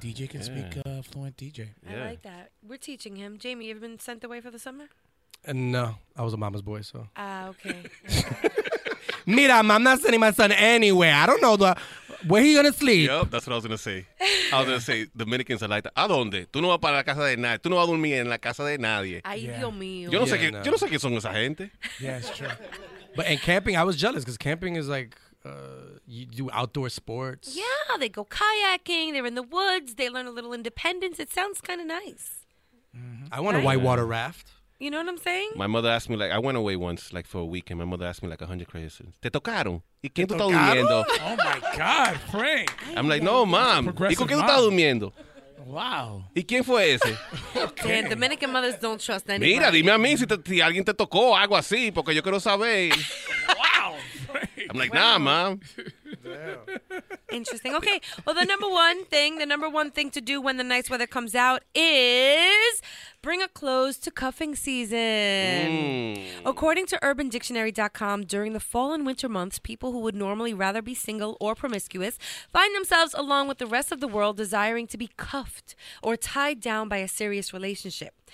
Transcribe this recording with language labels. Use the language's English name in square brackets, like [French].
[English] DJ can speak fluent DJ. Yeah. I like that. We're teaching him. Jamie, you ever been sent away for the summer? No, I was a mama's boy, so. Okay. Mira, I'm not sending my son anywhere. I don't know where he's going to sleep. Yep, that's what I was going to say. I was going to say, Dominicans are like that. [Spanish] ¿A dónde? Tú no vas para la casa de nadie. Tú no vas a dormir en la casa de nadie. Ay, Dios mío. Yo no sé yo no sé quién son esa gente. [English] Yeah, it's true. But in camping, I was jealous because camping is like, you do outdoor sports. Yeah, they go kayaking. They're in the woods. They learn a little independence. It sounds kind of nice. Mm-hmm. I want a whitewater raft. You know what I'm saying? My mother asked me, like, I went away once, like, for a week, and my mother asked me, like, 100 questions. [Spanish] ¿Te tocaron? ¿Y quién tú estás durmiendo? [English] Oh, my God, Frank. I'm like, no, mom. [Spanish] ¿Y con quién tú estás durmiendo? [English] Wow. [Spanish] ¿Y quién fue ese? [English] Okay. Man, Dominican mothers don't trust anybody. [Spanish] Mira, dime a mí si alguien te tocó o algo así, porque yo quiero saber. [English] Wow, Frank. I'm like, nah, mom. Damn. Interesting. Okay, well, the number one thing to do when the nice weather comes out is... bring a close to cuffing season. Mm. According to UrbanDictionary.com, during the fall and winter months, people who would normally rather be single or promiscuous find themselves along with the rest of the world desiring to be cuffed or tied down by a serious relationship.